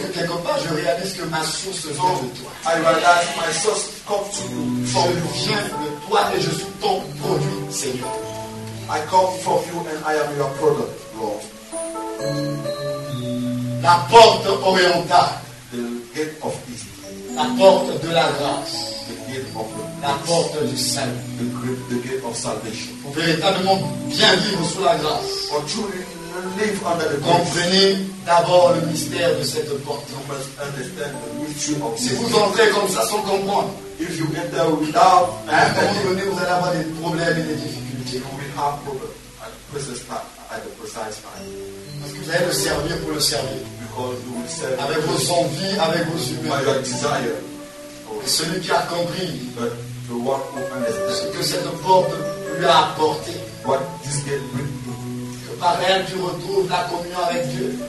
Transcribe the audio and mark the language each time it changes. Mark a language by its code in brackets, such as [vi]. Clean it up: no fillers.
[fr] que quelque part je réalise que ma source vient de toi. [en] I realize my source comes to you. [fr] From je viens de toi et je suis ton produit, Seigneur. [en] I come from you and I am your product, Lord. [fr] La porte orientale, [en] the gate of peace. [fr] La porte de la grâce, [en] the gate of the [fr] la porte du salut, [en] the gate of salvation. [fr] Pour véritablement bien vivre sous la grâce, [en] or truly live under the [fr] comprenez d'abord le mystère de cette porte. [en] You must understand the mystery of [fr] si vous entrez comme ça sans comprendre, [en] if you enter without, [fr] à un moment donné, vous allez avoir des problèmes et des difficultés. [en] You will have problems at the precise time. [fr] Parce que vous allez le servir pour le servir. [en] You will serve [fr] avec vos envies, avec vos humeurs. Celui qui a compris [en] the one who understands [fr] ce que cette porte lui a apporté. [en] What this gate bring to you. [fr] Que par elle tu retrouves la communion avec Dieu.